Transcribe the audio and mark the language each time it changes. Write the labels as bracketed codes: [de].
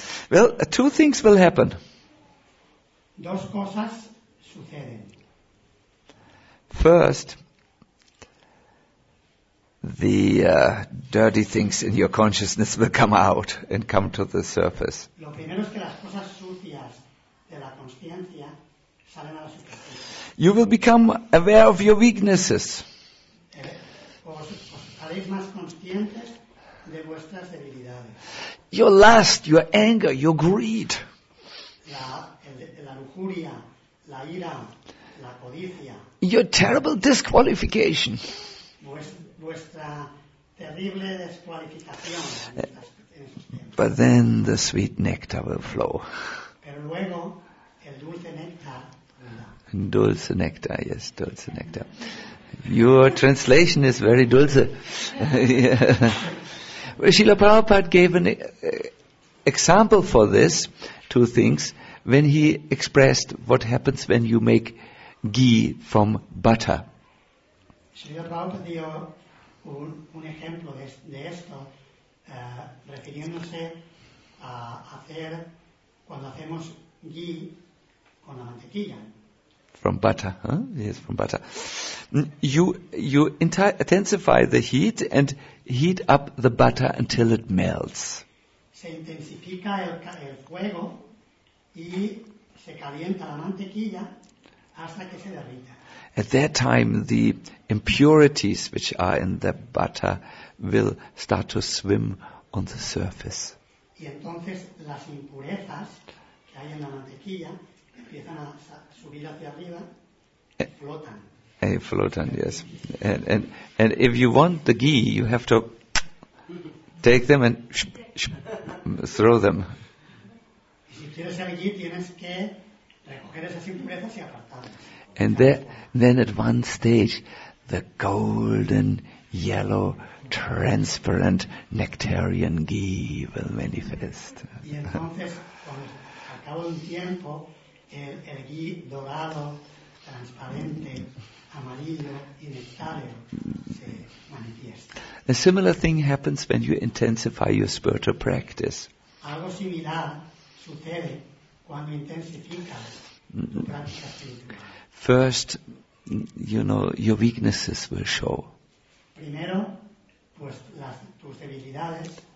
[en] Well, two things will happen. [es] Dos cosas suceden. [en] First, the dirty things in your consciousness will come out and come to the surface. [es] Lo primero es que las cosas sucias de la consciencia salen a la superficie. [en] You will become aware of your weaknesses. [es] Os haréis más conscientes de vuestras debilidades. [en] Your lust, your anger, your greed. [es] La lujuria, la ira, la codicia. [en] Your terrible disqualification. [es] Vuestra terrible desqualificación en esos temas. [en] But then the sweet nectar will flow. [es] Pero luego el dulce néctar. Dulce nectar, yes, dulce nectar. [en] Your translation is very dulce. Yeah. Srila Prabhupada gave an example for this, two things, when he expressed what happens when you make ghee from butter. [es] Srila Prabhupada dio un ejemplo de esto, refiriéndose a hacer cuando hacemos ghee con la mantequilla. [en] From butter, huh? Yes, from butter. You intensify the heat and heat up the butter until it melts. [es] Se intensifica el fuego y se calienta la mantequilla hasta que se derrita. [en] At that time, the impurities which are in the butter will start to swim on the surface. [es] Y entonces las impurezas que hay en la mantequilla empiezan a subir hacia arriba, flotan. Flotan, yes. [en] And if you want the ghee, you have to take them and throw them. [es] Si quieres el ghee, tienes que recoger esas impurezas y apartarlas. [en] And then at one stage, the golden, yellow, transparent, nectarian ghee will manifest. [es] Y entonces, al cabo de un tiempo, el ghee dorado, transparente, amarillo y nectario se manifiesta. [en] A similar thing happens when you intensify your spiritual practice. [es] Algo similar sucede cuando intensificas tu práctica espiritual. [en] First, you know, your weaknesses will show. [es] Primero, pues tus debilidades.